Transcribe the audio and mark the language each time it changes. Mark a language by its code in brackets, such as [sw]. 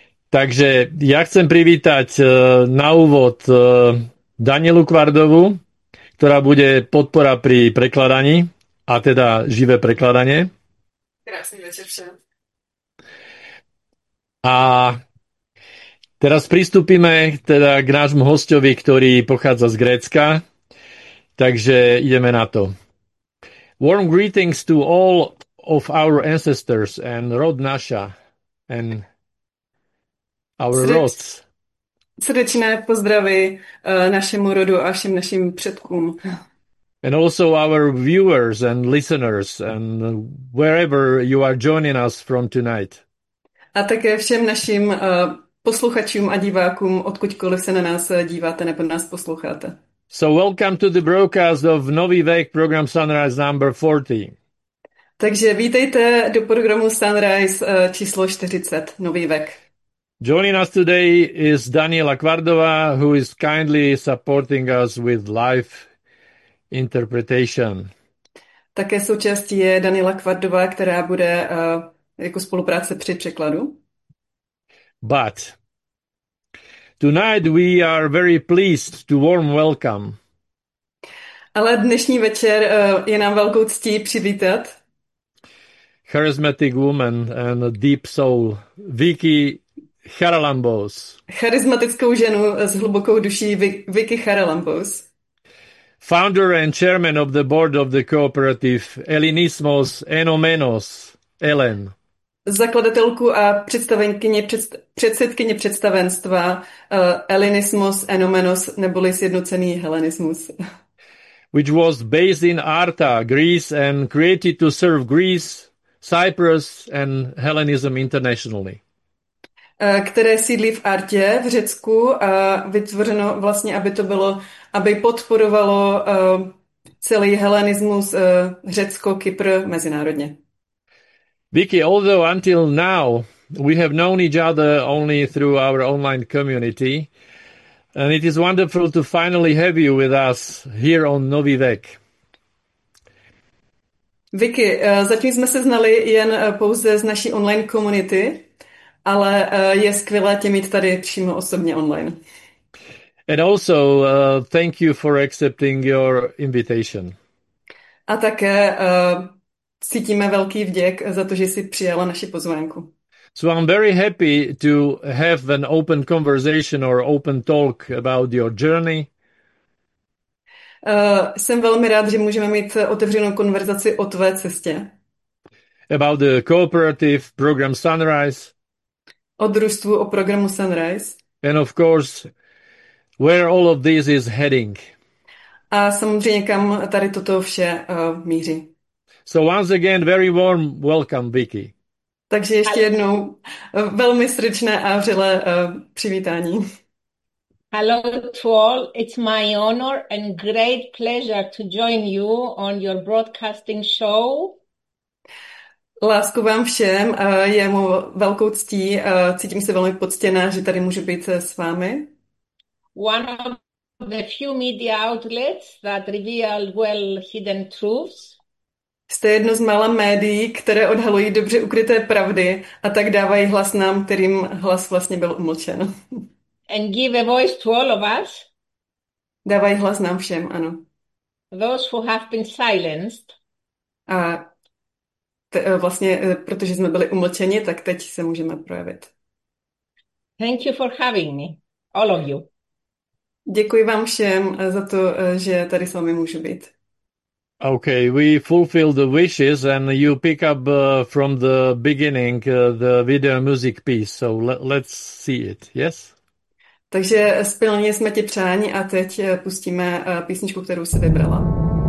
[sk] Takže ja chcem privítať na úvod Danielu Kvardovú, ktorá bude podpora pri prekladaní, a teda živé prekladanie. Krásny večer všem. A teraz pristúpime teda k nášmu hosťovi, ktorý pochádza z Grécka. Takže ideme na to. [en] Warm greetings to all of our ancestors and [sk] rod naša [en] and our rods. [cs] Srdečné pozdravy našemu rodu a všem našim předkům. [en] And also our viewers and listeners and wherever you are joining us from tonight. [cs] A také všem našim posluchačům a divákům, odkudkoliv se na nás díváte nebo nás posloucháte. [en] So welcome to the broadcast of Nový vek program Sunrise number 40. [cs] Takže vítejte do programu Sunrise číslo 40, Nový vek. [en] Joining us today is Daniela Kvardová, who is kindly supporting us with live interpretation. [cs] Také součástí je Daniela Kvardová, která bude jako spolupráce při překladu. [en] But tonight we are very pleased to warm welcome. [cs] Ale dnešní večer je nám velkou ctí přivítat [en] charismatic woman and a deep soul, Vicky Charalambos. [cs] Charismatickou ženu s hlubokou duší, Vicky Charalambos. [en] Founder and chairman of the board of the cooperative Elinismos Enomenos, Ellen. [cs] Zakladatelku a předsedkyně představenstva Elinismos Enomenos, neboli sjednocený helenismus. [en] Which was based in Arta, Greece, and created to serve Greece, Cyprus and Hellenism internationally. [cs] Které sídlí v Artě v Řecku a vytvořeno vlastně, aby to bylo, aby podporovalo celý helenismus Řecko, Kypr, mezinárodně. [en] Vicky, although until now we have known each other only through our online community, and it is wonderful to finally have you with us here on Nový vek. [cs] Vicky, zatím jsme se znali jen pouze z naší online komunity, ale je skvělé tě mít tady přímo osobně online. [en] And also, thank you for accepting your invitation. [cs] A také cítíme velký vděk za to, že jsi přijala naši pozvánku. [en] So I'm very happy to have an open conversation or open talk about your journey. [cs] Jsem velmi rád, že můžeme mít otevřenou konverzaci o tvé cestě. [en] About the cooperative program Sunrise. [cs] O družstvu, o programu Sunrise. [en] And of course, where all of this is heading. [cs] A samozřejmě, kam tady toto vše míří. [en] So once again, very warm welcome, Vicky. [cs] Takže ještě jednou velmi srdečné a vřelé přivítání. [en] Hello to all. It's my honor and great pleasure to join you on your broadcasting show. [cs] Lásku vám všem, je mu velkou ctí, cítím se velmi poctěná, že tady můžu být s vámi. [en] One of the few media outlets that reveal well hidden truths. [cs] Jste jedno z mála médií, které odhalují dobře ukryté pravdy a tak dávají hlas nám, kterým hlas vlastně byl umlčen. [en] And give a voice to all of us. [cs] Dávají hlas nám všem, ano. [en] Those who have been silenced. [cs] A vlastně, protože jsme byli umlčeni, tak teď se můžeme projevit. [en] Thank you for having me, all of you. [cs] Děkuji vám všem za to, že tady s vámi můžu být. [en] Okay, we fulfill the wishes and you pick up from the beginning the video music piece. So let's see it, yes? [cs] Takže splnili jsme ti přání a teď pustíme písničku, kterou si vybrala.